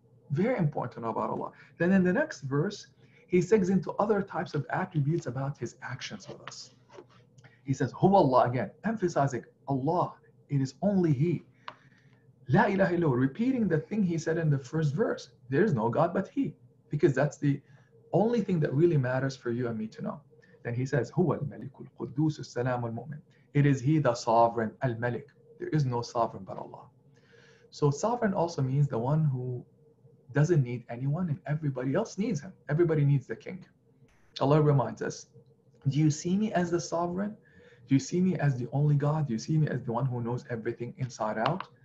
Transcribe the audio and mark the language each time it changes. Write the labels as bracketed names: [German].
[English] Very important to know about Allah. Then in the next verse, He segues into other types of attributes about His actions with us. He says, Huwa Allah, again, emphasizing Allah, it is only He. La ilaha illahu, repeating the thing He said in the first verse, there is no God but He, because that's the only thing that really matters for you and me to know. [Arabic] Then he says, هو الملك القدوس السلام المؤمن. [English] It is he, the sovereign, al-malik. There is no sovereign but Allah. So sovereign also means the one who doesn't need anyone and everybody else needs him. Everybody needs the king. Allah reminds us, do you see me as the sovereign? Do you see me as the only God? Do you see me as the one who knows everything inside out?